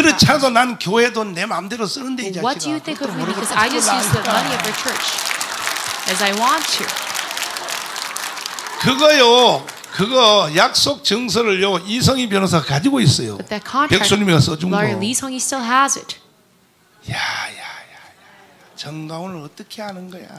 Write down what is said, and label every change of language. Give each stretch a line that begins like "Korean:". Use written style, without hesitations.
Korean: 그렇잖아, 난 교회 돈 내 마음대로 쓰는데 이 자식아.
English: What do you think of me? Because I just use the money of your church as I want to.
Korean: 그거요, 그거 약속 증서를요 이성희 변호사 가지고 있어요. 백수님이가 써준 거.
English: 이성희 still has it.
Korean: 야야야야, 정강훈을 어떻게 하는 거야?